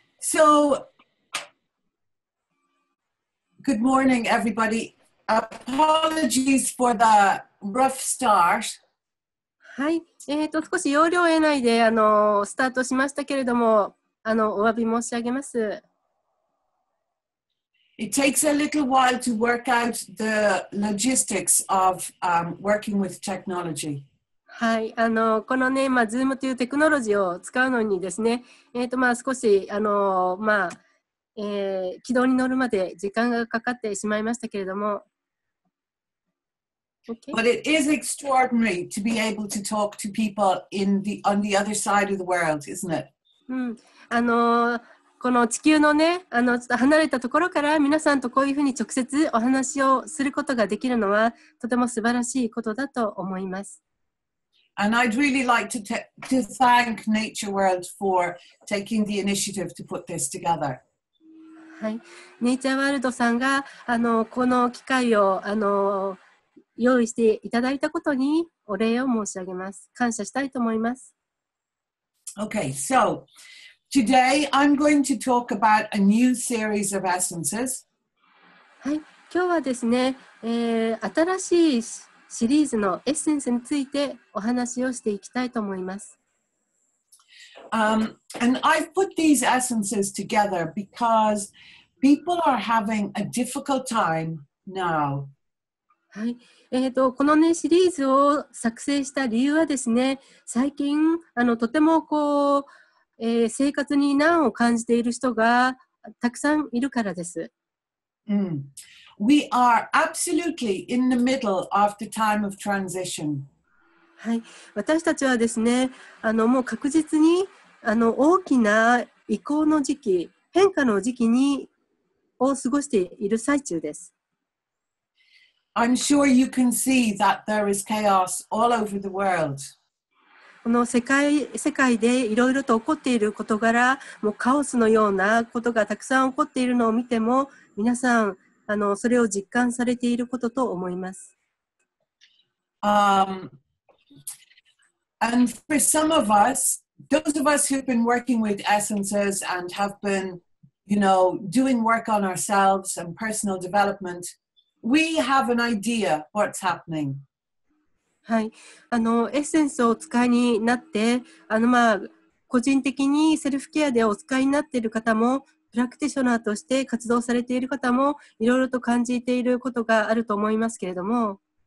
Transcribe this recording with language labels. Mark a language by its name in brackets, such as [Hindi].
[English] So, good morning, everybody. Apologies for the rough start. [Japanese] はい。少し要領を得ないでスタートしましたけれども、お詫び申し上げます。 [English] It takes a little while to work out the logistics of working with technology. [Japanese] はい、このね、まあ、Zoom というテクノロジーを使うのにですね、少し軌道に乗るまで時間がかかってしまいましたけれども。 [English] Okay. But it is extraordinary to be able to talk to people on the other side of the world, isn't it? [Japanese] うん、この地球のね、ちょっと離れたところから皆さんとこういうふうに直接お話をすることができるのはとても素晴らしいことだと思います。 [English] And I'd really like to thank Nature World for taking the initiative to put this together. [Japanese] はい、Nature Worldさんがこの機会を用意していただいたことにお礼を申し上げます。感謝したいと思います。 [English] Okay, so. Today, I'm going to talk about a new series of essences. [Japanese] はい、今日はですね、新しいシリーズのエッセンスについてお話をしていきたいと思います。 [English] And I've put these essences together because people are having a difficult time now. [Japanese] はい、このね、シリーズを作成した理由はですね、最近、とてもこう、生活に難を感じている人がたくさんいるからです。 [English] We are absolutely in the middle of the time of transition. [Japanese] はい、私たちはですね、もう確実に大きな移行の時期、変化の時期にを過ごしている最中です。 [English] I'm sure you can see that there is chaos all over the world. [Japanese] この世界でいろいろと起こっている事柄、もうカオスのようなことがたくさん起こっているのを見ても、皆さんそれを実感されていることと思います。 [English] And for some of us, those of us who've been working with essences and have been, you know, doing work on ourselves and personal development, we have an idea what's happening. [Japanese] はい、エッセンスをお使いになって個人的にセルフケアでお使いになっている方もプラクティショナーとして活動されている方もいろいろと感じていることがあると思いますけれども